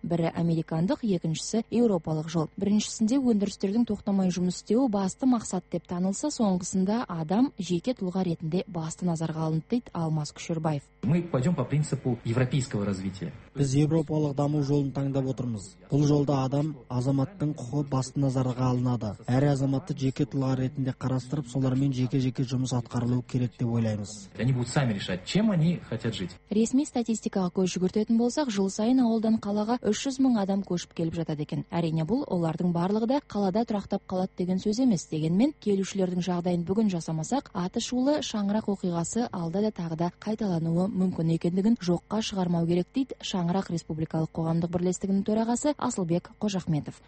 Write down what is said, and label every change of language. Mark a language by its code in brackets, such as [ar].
[kk] Бірі американдық, екіншісі еуропалық жол. Біріншісінде өндірістердің тоқтамай жұмыс істеуі басты мақсат деп танылса, соңғысында адам жеке тұлға ретінде басты назарға алынды, дейді Алмаз Күшербаев. [ru] Мы пойдем по принципу европейского развития. [kk] Біз еуропалық даму жолын таңдап отырмыз. Бұл жолда адам азаматтың құқы басты назарға алынады. Әр азаматты жеке тұлға ретінде қарастырып, солармен жеке-жеке жұмыс атқарылуы керек деп ойлаймыз. [ru] Они будут сами решать, чем они хотят жить. [kk] Ресми статистикаға көз жүгіртетін болсақ, жыл сайын ауылдан қалаға 300 мың адам көшіп келіп жатады екен. Әрине, бұл олардың барлығы да қалада тұрақтап қалады деген сөз емес. Дегенмен, келушілердің жағдайын бүгін жасамасақ, аты шулы шаңырақ оқиғасы алда да тағы да қайталануы мүмкін екендігін жоққа шығармау керек, дейді Шаңырақ республикалық қоғамдық бірлестігінің төрағасы Асылбек Қожахметов.